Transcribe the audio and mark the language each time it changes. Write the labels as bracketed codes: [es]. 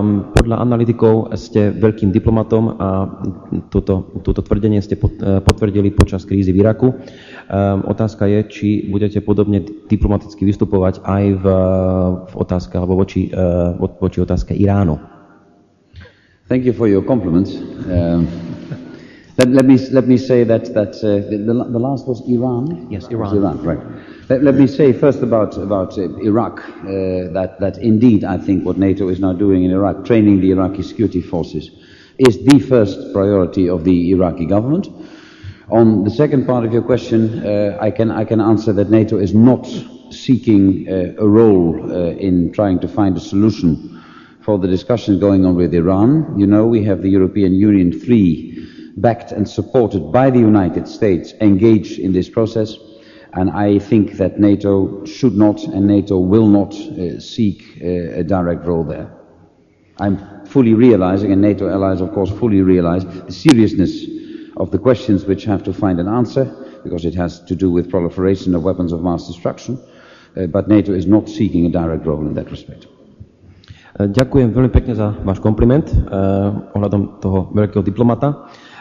[sk] Podľa analytikov ste veľkým diplomatom a toto tvrdenie ste potvrdili počas krízy v Iraku. Otázka je, či budete podobne diplomaticky vystupovať aj v otázke alebo voči otázke Iránu. [en] Thank you for your compliments. Let me say that the last was Iran. Yes, Iran. Iran, right. Let me say first about Iraq, that indeed I think what NATO is now doing in Iraq, training the Iraqi security forces, is the first priority of the Iraqi government. On the second part of your question, I can answer that NATO is not seeking a role in trying to find a solution for the discussion going on with Iran. You know, we have the European Union 3, backed and supported by the United States, engaged in this process. And I think that NATO should not and NATO will not seek a direct role there. I'm fully realizing, and NATO allies of course fully realize, the seriousness of the questions which have to find an answer, because it has to do with proliferation of weapons of mass destruction, but NATO is not seeking a direct role in that respect. [sk] Ďakujem veľmi pekne za váš kompliment ohľadom toho veľkého diplomata.